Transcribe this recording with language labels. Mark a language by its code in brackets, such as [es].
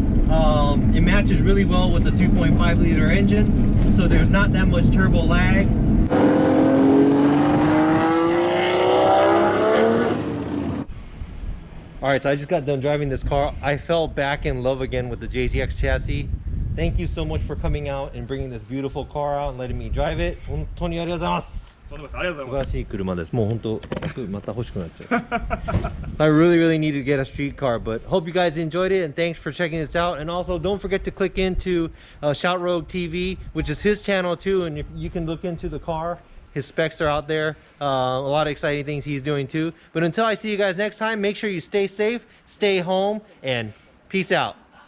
[en] Matches really well with the 2.5 liter engine, so there's not that much turbo lag. Alright, so I just got done driving this car. I fell back in love again with the JZX chassis. Thank you so much for coming out and bringing this beautiful car out and letting me drive it. [ja] 本当にありがとうございます。素晴らしい車です。もう本当、また欲しくなっちゃう。 [en] I really, really need to get a street car, but hope you guys enjoyed it and thanks for checking this out. And also, don't forget to click into Shout Rogue TV, which is his channel too, and if you can look into the car. His specs are out there. A lot of exciting things he's doing too. But until I see you guys next time, make sure you stay safe, stay home, and peace out.